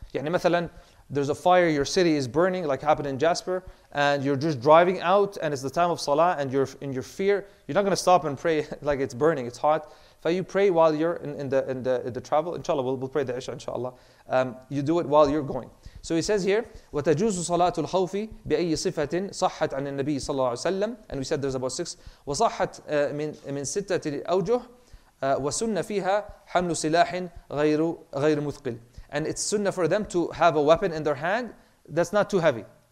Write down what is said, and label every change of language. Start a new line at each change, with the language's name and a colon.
English: يعني مثلا, there's a fire, your city is burning, like happened in Jasper, and you're just driving out, and it's the time of Salah, and you're in your fear. You're not going to stop and pray like it's burning, it's hot. If you pray while you're in the travel, inshallah, we'll pray the Isha, inshallah. You do it while you're going. So he says here,
Arabic: وَتَجُوزُ صَلَاةُ الْخَوْفِ بِأَيِّ صِفَةٍ صَحَّتْ عَنِ النَّبِيِّ صَلَّى اللَّهُ عَلَيْهِ وَسَلَّمَ.
English: And we said there's about six.
Arabic: وَصَحَّتْ مِنْ سِتَّةِ الْأَوْجُهِ وَسُنَّ فِيهَا حَمْلُ سِلَاحٍ غَيْرُ مُثْقِلٍ.
English: And it's sunnah for them to have a weapon in their hand that's not too heavy.